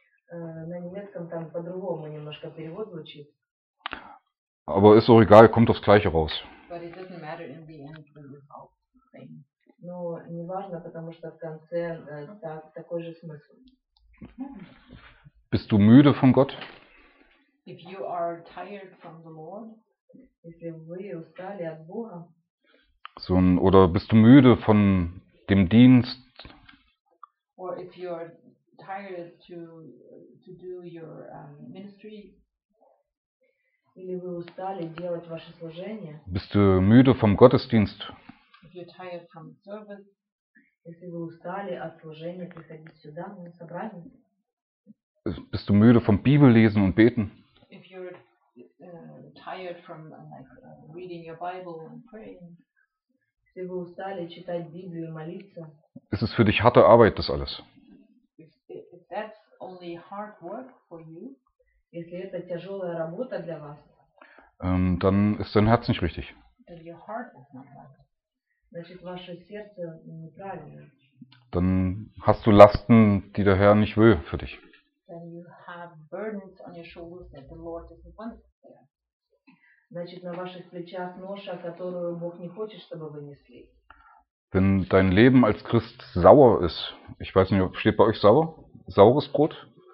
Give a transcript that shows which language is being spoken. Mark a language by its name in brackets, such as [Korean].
[Russian] На немецком там по-другому немножко перевод звучит. [German] Aber ist auch egal, kommt aufs Gleiche raus. [English] But it doesn't matter in the end, it's all the same. [Russian] Ну, не важно, потому что в конце такой же смысл. [German] Bist du müde von Gott? [English] If you are tired from the Lord, [Russian] если вы устали от Бога. [German] So, oder bist du müde von dem Dienst? [English] Or if you're tired to do your ministry. [Russian] Или вы устали делать ваше служение? [German] Bist du müde vom Gottesdienst? [English] If you're tired from service. [Russian] Если вы устали от служения, приходить сюда на собрание? [German] Bist du müde vom Bibellesen und Beten? [English] If you're tired from reading your Bible and praying. [Russian] Если вы устали читать Библию и молиться? [German] Ist es für dich harte Arbeit, das alles? [English] That's only hard work for you. [Russian] Если это тяжелая работа для вас, [German] dann ist dein Herz nicht richtig. [English] And your heart is not right. [Russian] Значит, ваше сердце неправильно. [German] Dann hast du Lasten, die der Herr nicht will für dich. [English] Then you have burdens on your shoulders that the Lord doesn't want there. [Russian] Значит, на ваших плечах ноша, которую Бог не хочет, чтобы вы несли. [German] Wenn dein Leben als Christ sauer ist, ich weiß nicht, steht bei euch sauer? Saures Brot?